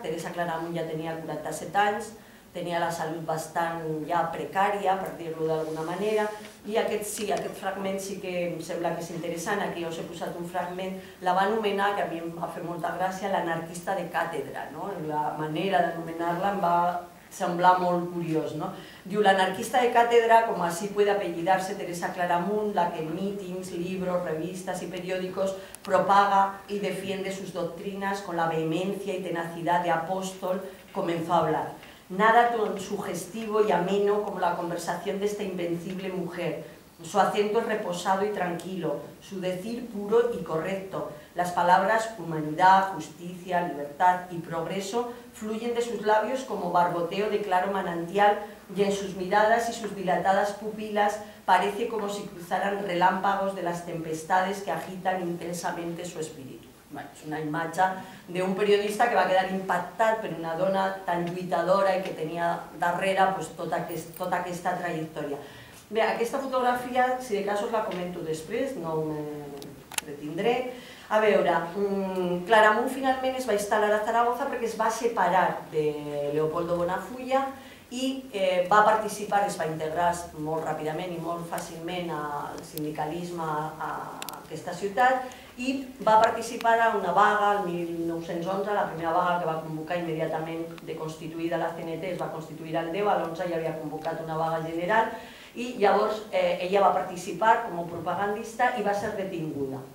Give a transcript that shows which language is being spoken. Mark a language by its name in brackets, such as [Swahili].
[Catalan] Teresa Claramunt ja tenia 47 anys, tenia la salut bastant ja precària, per dir-lo d'alguna manera, i aquest, sí, aquest fragment sí que em sembla que és interessant. Aquí us he posat un fragment, la va anomenar, que a mi em va fer molta gràcia, l'anarquista de càtedra, no? La manera d'anomenar-la em va semblar molt curiós, no? Diu, l'anarquista de càtedra, [Spanish] com així puede apellidarse Teresa Claramunt, la que en mítings, libros, revistas y periódicos propaga y defiende sus doctrinas con la vehemencia y tenacidad de apóstol, comenzó a hablar. Nada tan sugestivo y ameno como la conversación de esta invencible mujer. Su acento es reposado y tranquilo, su decir puro y correcto. Las palabras humanidad, justicia, libertad y progreso fluyen de sus labios como barboteo de claro manantial, y en sus miradas y sus dilatadas pupilas parece como si cruzaran relámpagos de las tempestades que agitan intensamente su espíritu. [Catalan] Bueno, és una imatge d'un periodista que va quedar impactat per una dona tan lluitadora i que tenia darrere, pues, tota aquesta trajectòria. Bé, aquesta fotografia, si de cas us la comento després, no me retindré. A veure, Claramunt finalment es va instal·lar a Zaragoza perquè es va separar de Leopoldo Bonafuia i va participar, es va integrar molt ràpidament i molt fàcilment al sindicalisme a aquesta ciutat, i va participar a una vaga el 1911, la primera vaga que va convocar immediatament de constituïda la CNT, es va constituir el 10, l'11 ja havia convocat una vaga general, i llavors ella va participar com a propagandista i va ser detinguda.